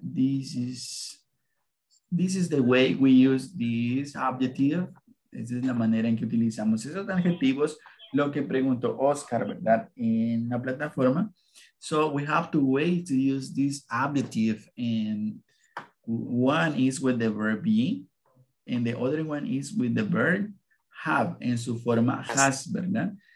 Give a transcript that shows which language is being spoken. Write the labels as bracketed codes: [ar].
[en] This is the way we use this adjective. [es] Esa es la manera en que utilizamos esos adjetivos. Lo que preguntó Oscar, ¿verdad? En la plataforma. [en] So we have two ways to use this adjective, and one is with the verb be, and the other one is with the verb have, [es] en su forma has, ¿verdad?